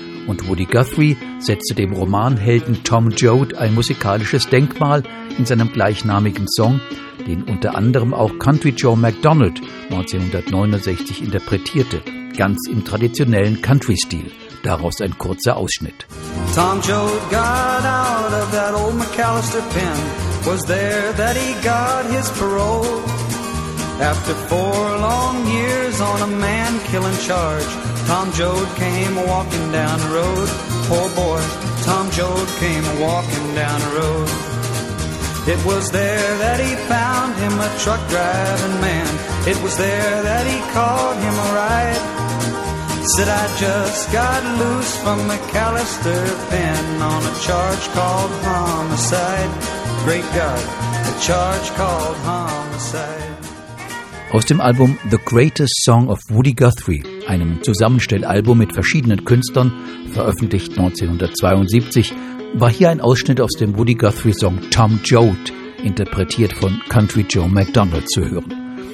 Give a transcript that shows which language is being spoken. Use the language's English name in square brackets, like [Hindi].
[German] Und Woody Guthrie setzte dem Romanhelden Tom Joad ein musikalisches Denkmal in seinem gleichnamigen Song, den unter anderem auch Country Joe McDonald 1969 interpretierte, ganz im traditionellen Country-Stil. Daraus ein kurzer Ausschnitt. [English] Tom Joad got out of that old McAllister pen. Was there that he got his parole. After four long years on a man-killing charge, Tom Joad came walking down the road. Poor boy, Tom Joad came walking down the road. It was there that he found him a truck-driving man. It was there that he called him a ride. Said, I just got loose from McAllister pen on a charge called homicide. Great God, a charge called homicide. [German] Aus dem Album The Greatest Song of Woody Guthrie, einem Zusammenstellalbum mit verschiedenen Künstlern, veröffentlicht 1972, war hier ein Ausschnitt aus dem Woody Guthrie-Song Tom Joad, interpretiert von Country Joe McDonald, zu hören.